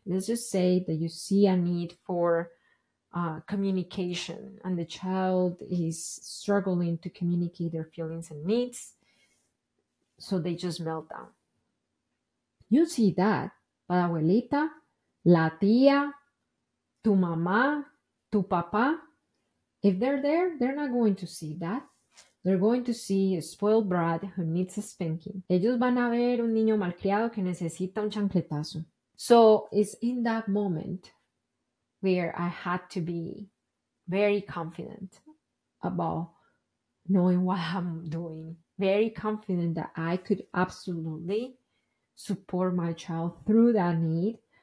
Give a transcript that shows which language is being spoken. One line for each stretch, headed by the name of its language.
English: Let's just say that you see a need for communication, and the child is struggling to communicate their feelings and needs, so they just melt down. You see that, but
Spanish: abuelita, la tía, tu mamá, tu papá,
English: if they're there, they're not going to see that. They're going to see a spoiled brat who needs a spanking.
Spanish: Ellos van a ver un niño malcriado que necesita un chancletazo.
English: So it's in that moment where I had to be very confident about knowing what I'm doing, very confident that I could absolutely support my child through that need.